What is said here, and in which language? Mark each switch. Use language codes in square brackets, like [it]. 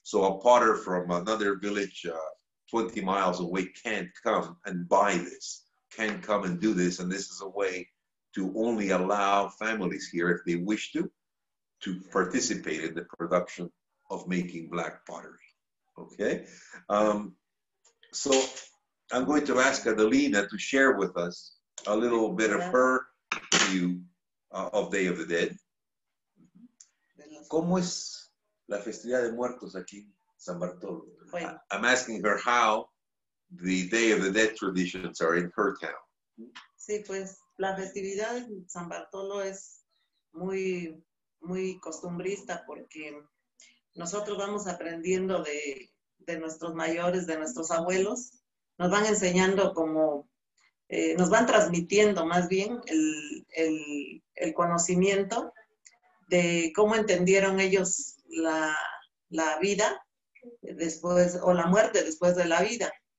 [en] So a potter from another village 20 miles away can't come and buy this, can't come and do this, and this is a way to only allow families here, if they wish to participate in the production of making black pottery. Okay, so I'm going to ask Adelina to share with us a little bit of her view of Day of the Dead. [es] ¿Cómo es la festividad de muertos aquí en San Bartolo? [en] I'm asking her how the Day of the Dead traditions are in her town. [es] Sí, pues la festividad en San Bartolo es muy, muy costumbrista porque nosotros vamos aprendiendo de nuestros mayores, de nuestros abuelos. Nos van enseñando como, nos van transmitiendo más bien el conocimiento de cómo entendieron ellos la vida después, o la muerte después de la vida.